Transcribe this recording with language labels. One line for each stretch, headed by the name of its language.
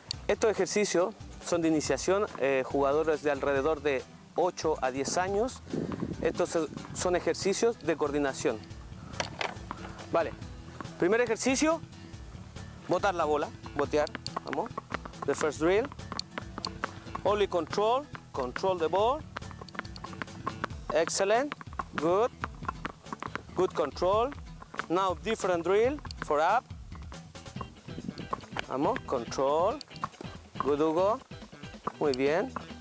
Spanish: Estos ejercicios son de iniciación, jugadores de alrededor de 8 a 10 años. Estos son ejercicios de coordinación. Vale, primer ejercicio, botar la bola, botear, vamos.
English: The first drill, only control, control the ball. Excellent, good, good control. Now different drill for up.
Spanish: Vamos, control,
English: good
Spanish: Hugo, muy bien.